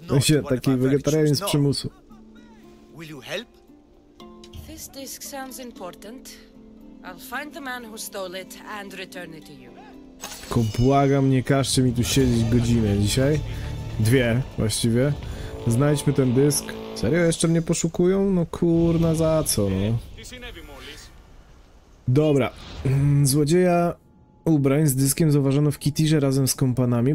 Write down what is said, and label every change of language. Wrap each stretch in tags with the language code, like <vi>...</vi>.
<pl>Ja się taki wegetarianin z przymusu.</pl> <en>Will you help? This disc sounds important. I'll find the man who stole it and return it to you.</en> <pl>Tylko błagam, nie każcie mi tu siedzieć godzinę dzisiaj. Dwie, właściwie. Znajdźmy ten dysk. Serio, jeszcze mnie poszukują? No kurna, za co, no. Dobra. Złodzieja ubrań z dyskiem zauważono w Kythirze razem z kompanami.</pl>